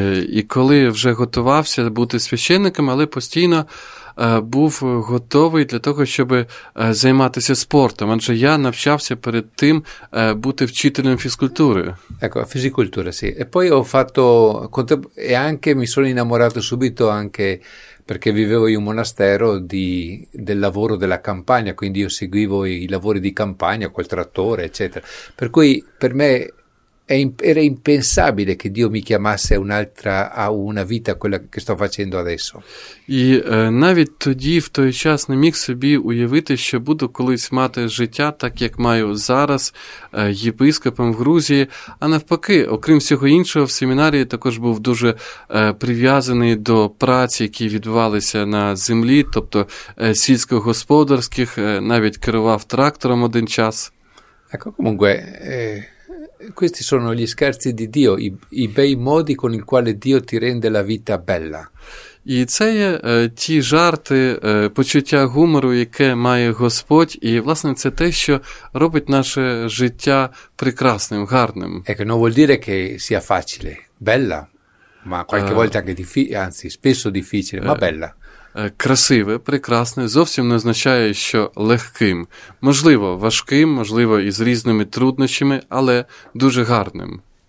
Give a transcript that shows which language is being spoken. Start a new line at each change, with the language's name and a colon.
Ukrainian: І коли вже готувався бути священником, але постійно був готовий для того, щоб займатися спортом. Адже я навчався перед тим бути вчителем фізкультури.
Italian: Ecco,
Ukrainian: фізикультура,
Italian: sì. E poi ho fatto e anche mi sono innamorato subito anche perché vivevo in un monastero del lavoro della campagna, quindi io seguivo i lavori di campagna col trattore, eccetera. Per cui per me era impensabile che Dio mi chiamasse un'altra a una vita, quella che sto facendo adesso.
Ukrainian: І навіть тоді, в той час, не міг собі уявити, що буду колись мати життя так, як маю зараз, єпископом в Грузії. А навпаки, окрім всього іншого, в семінарії також був дуже прив'язаний до праці, які відбувалися на землі, тобто сільськогосподарських, навіть керував трактором один час.
Italian: Ecco, comunque... Questi sono gli scherzi di Dio, i bei modi con il quale Dio ti rende la vita bella.
Ukrainian: І це є ті жарти, почуття гумору, яке має Господь, і, власне, це те, що робить наше життя прекрасним, гарним.
Italian: Ecco, non vuol dire che sia facile, bella, ma qualche volta anche spesso difficile, ma bella.
Ukrainian: Красиве, прекрасне, зовсім не означає, що легким. Можливо, важким, можливо, із різними труднощами, але дуже гарним.